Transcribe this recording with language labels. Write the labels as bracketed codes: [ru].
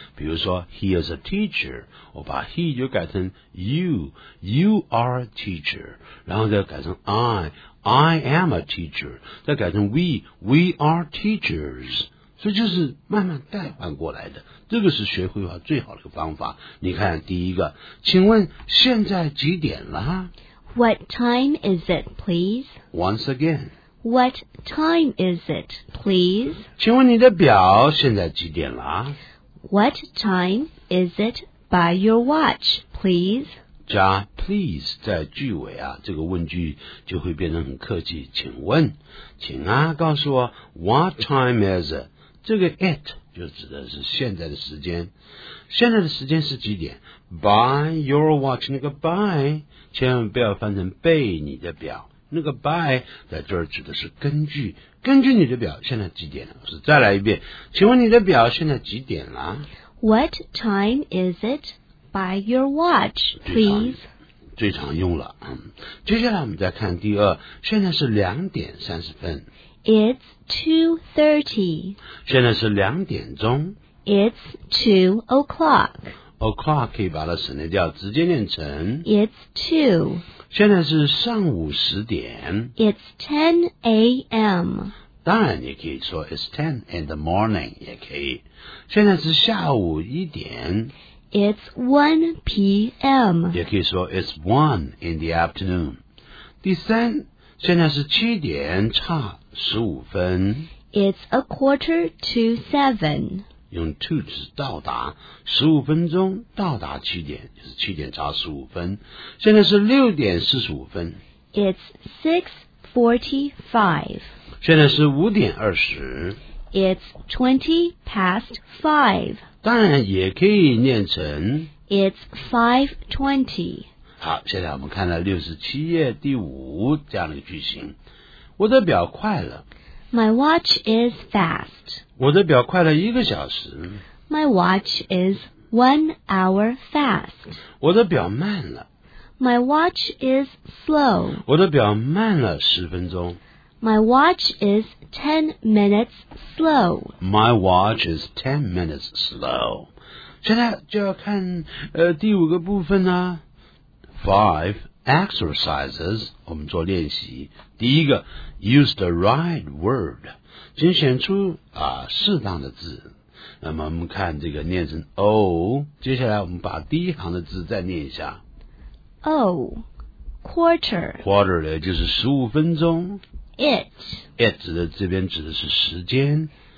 [zh] 比如说 ， [en] He is a teacher， [zh] 我把 He 就改成 [en] You are a teacher， [zh] 然后再改成 [en] I am a teacher， [zh] 再改成 [en] we are teachers， [zh] 所以就是慢慢代换过来的，这个是学会话最好的一个方法。你看第一个，请问现在几点了？ [en] What time is it, please? Once again. What time is it, please? [zh] 请问你的表现在几点了？ [en] What time is it by your watch, please? [zh] 加 please 在句尾啊这个问句就会变得很客气请问请啊告诉我 [en] what time is it [zh] 这个 it 就指的是现在的时间现在的时间是几点 [en] by your watch [zh] 那个 by 千万不要翻成背你的表那个 by 在这儿指的是根据你的表现在几点了是再来一遍请问你的表现在几点了 [en] what time is itBy your watch, please. [zh] 最常用了、接下来我们再看第二现在是2:30。 [en] It's 2:30. [zh] 现在是2:00。 [en] It's 2 o'clock. [zh] O'clock 可以把它省略掉直接念成。 [en] It's 2. [zh] 现在是上午10:00。 [en] It's 10 a.m. [zh] 当然你可以说 [en] It's 10 in the morning, [zh] 也可以。现在是下午1:00。 [en] It's 1 p.m. 也可以说 It's 1 in the afternoon. [zh] 第三，现在是7:15。 [en] It's 7:15. [zh] 用 to 指到达，15分钟到达七点，就是7:15。现在是6:45。 [en] It's 6:45. [zh] 现在是5:20。 [en] It's 5:20. [zh] 当然也可以念成 [en] It's 5:20. [zh] 好，现在我们看了67页第五这样的句型。我的表快了。 [en] My watch is fast. [zh] 我的表快了一个小时。 [en] My watch is 1 hour fast. [zh] 我的表慢了。 [en] My watch is slow. [zh] 我的表慢了10分钟。 [en] My watch is 10 minutes slow. My watch is 10 minutes slow. [zh] 现在就要看第五个部分啊。 [en] 5 exercises. [zh] 我们做练习。第一个 [en] ，use the right word. [zh] 请选出啊适当的字。那么我们看这个念成 O。接下来我们把第一行的字再念一下。 [en] O, quarter. [zh] Quarter 呢就是15分钟。 [en] It [zh] 指的这边指的是时间